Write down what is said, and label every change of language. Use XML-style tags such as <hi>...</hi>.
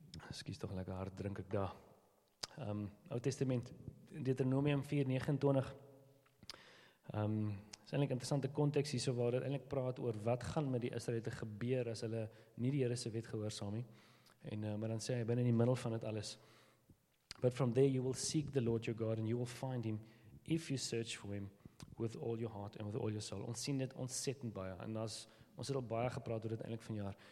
<af>Skies toch lekker hard, drink ek daar. Oud Testament, Deuteronomium 4:29. Is eintlik interessante konteks hier, so waar dit eintlik praat oor wat gaan met die Israelite gebeur as hulle nie die Here se wet gehoorsaam nie. En maar dan sê hy binne in die middel van dit alles.</af> <en>But from there you will seek the Lord your God and you will find him if you search for him with all your heart and with all your soul.</en> <af>Ons sien dit ontsettend baie. En ons het al baie gepraat oor dit eintlik vanjaar.</af>